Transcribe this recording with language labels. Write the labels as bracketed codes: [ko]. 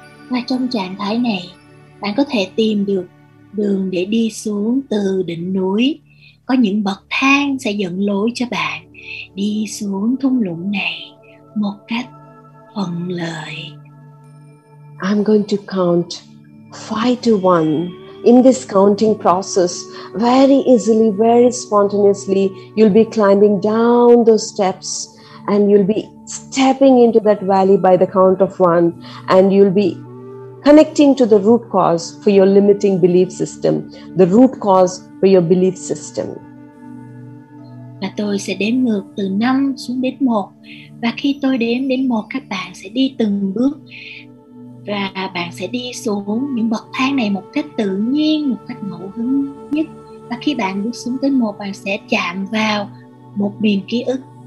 [vi] Và trong trạng thái này, bạn có thể tìm được đường để đi xuống từ đỉnh núi. Có những bậc thang sẽ dẫn lối cho bạn đi xuống thung lũng này một cách thuận lợi. [en] I'm going to count 5 to 1. In this counting process, very easily, very spontaneously, you'll be climbing down those steps and you'll be stepping into that valley by the count of 1, and you'll be connecting to the root cause for your limiting belief system, the root cause for your belief system. [vi] Và tôi sẽ đếm ngược từ 5 xuống đến 1. Và khi tôi đếm đến 1, các bạn sẽ đi từng bước và bạn sẽ đi xuống những bậc thang này một cách tự nhiên, một cách ngẫu hứng nhất. Và khi bạn bước xuống tới 1, bạn sẽ chạm vào một miền ký ức.